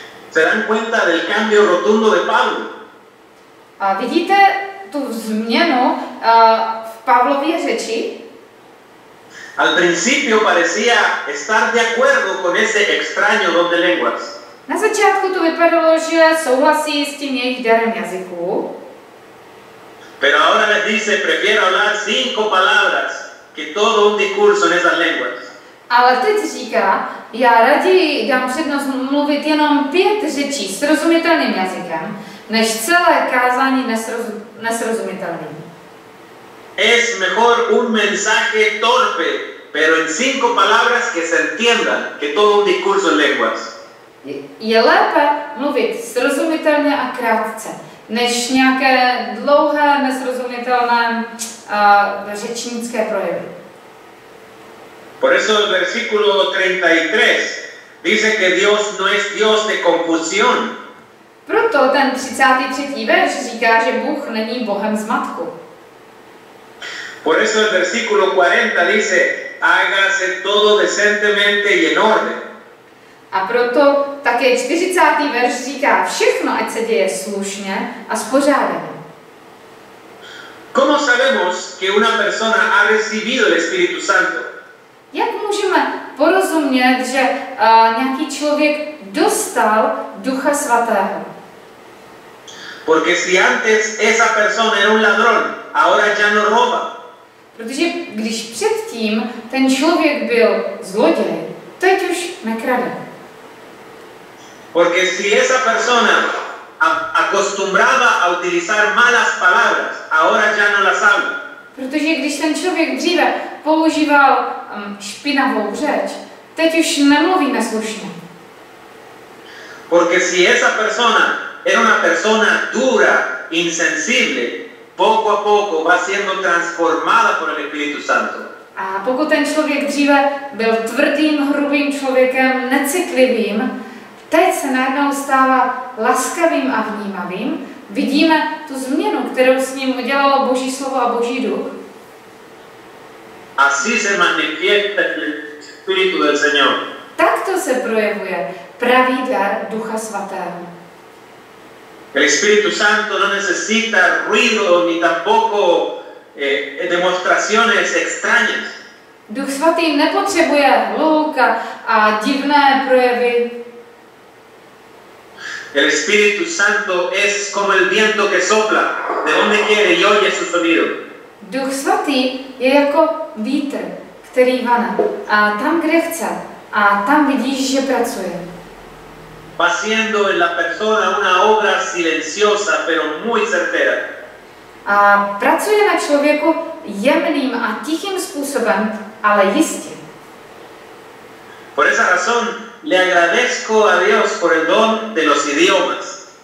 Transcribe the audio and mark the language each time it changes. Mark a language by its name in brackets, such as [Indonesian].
[Spanish] Se dan cuenta del cambio rotundo de Pablo. [Czech] A vidíte tu změnu v Pavlově řeči? [Spanish] Al principio parecía estar de acuerdo con ese extraño don de lenguas. [Czech] Na začátku to vypadalo, že souhlasí s tím jejich darem jazyku. [Spanish] Pero ahora les dice, prefiero hablar cinco palabras que todo un discurso en esas lenguas. [Czech] Ale teď říká, já raději dám přednost mluvit jenom pět řečí srozumitelným jazykem, než celé kázání nesrozumitelným. [Spanish] Es mejor un mensaje torpe, pero en cinco palabras que se entienda, que todo un discurso en lenguas. [Czech] Je lépe mluvit srozumitelně a krátce, než nějaké dlouhé, nesrozumitelné řečnické projevy. [Spanish] Por eso el versículo 33 dice que Dios no es Dios de confusión. [Czech] Proto ten 33. verš říká, že Bůh není Bohem zmatku. [Spanish] Por eso el versículo 40 dice, hágase todo decentemente y en orden. [Czech] A proto také 40. verš říká, všechno, ať se děje slušně a spořádaně. [Spanish] ¿Cómo sabemos que una persona ha recibido el Espíritu Santo? [Czech] Jak můžeme porozumět, že nějaký člověk dostal Ducha Svatého? [Spanish] Porque si antes esa persona era un ladrón, ahora ya no roba. [Czech] Protože když předtím ten člověk byl zloděj, teď už nekrade. [Spanish] Porque si esa persona acostumbraba a utilizar malas palabras, ahora ya no las habla. [Czech] Protože když ten člověk dříve používal špinavou řeč, teď už nemluví neslušně. [Spanish] Porque si esa persona era una persona dura, insensible, poco a poco va siendo transformada por el Espíritu Santo. [Czech] A pokud ten člověk dříve byl tvrdým, hrubým člověkem, necitlivým, teď se najednou stává laskavým a vnímavým. Vidíme tu změnu, kterou s ním udělalo Boží slovo a Boží duch. [Spanish] Así se manifiesta el Espíritu del Señor. [Czech] Takto se projevuje pravý dar Ducha Svatého. [Spanish] El Espíritu Santo no necesita ruido ni tampoco demostraciones extrañas. [Czech] Duch Svatý nepotřebuje hluk a divné projevy. [Spanish] El Espíritu Santo es como el viento que sopla de donde quiere y oye su sonido. [Czech] Duch Svatý je jako vítr, který vane a tam, kde chce, a tam vidíš, že pracuje. [Spanish] Haciendo en la persona una obra silenciosa, pero muy certera. [Czech] A pracuje na člověku jemným a tichým způsobem, ale jistě. [Spanish] Por esa razón, le agradezco a Dios por el don de los idiomas.